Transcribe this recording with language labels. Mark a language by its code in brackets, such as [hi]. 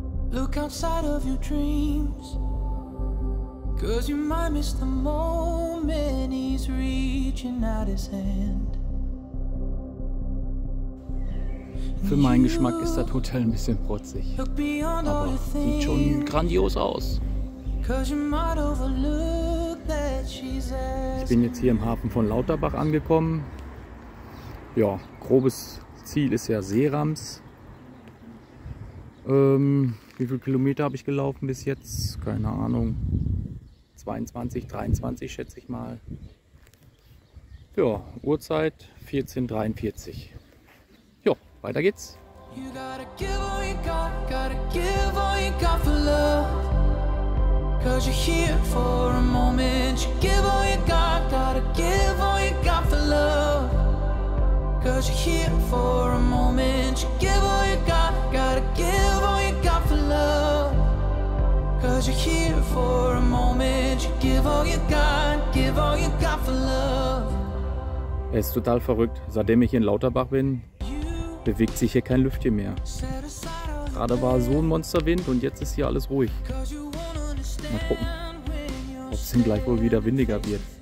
[en] look outside of your dreams. 'Cause you might miss the moment he's reaching out his hand. [de] Für meinen Geschmack ist das Hotel ein bisschen protzig. Aber sieht schon grandios aus. Ich bin jetzt hier im Hafen von Lauterbach angekommen. Ja, grobes Ziel ist ja Seerams. Wie viele Kilometer habe ich gelaufen bis jetzt? Keine Ahnung. 22, 23 schätze ich mal. Ja, Uhrzeit 14:43. Ja, weiter geht's. [en] You gotta give all you got, gotta give all you got for love. 'Cause you're here for a moment. You give all you got, gotta give all you got for love. 'Cause you're here for a moment. You give all you got, gotta give all you got for love. 'Cause you're here for a moment. You give all you got, give all you got for love. [de] Es ist total verrückt, seitdem ich in Lauterbach bin. Bewegt sich hier kein Lüftchen mehr. Gerade war so ein Monsterwind und jetzt ist hier alles ruhig. Mal gucken, ob es denn gleich wohl wieder windiger wird.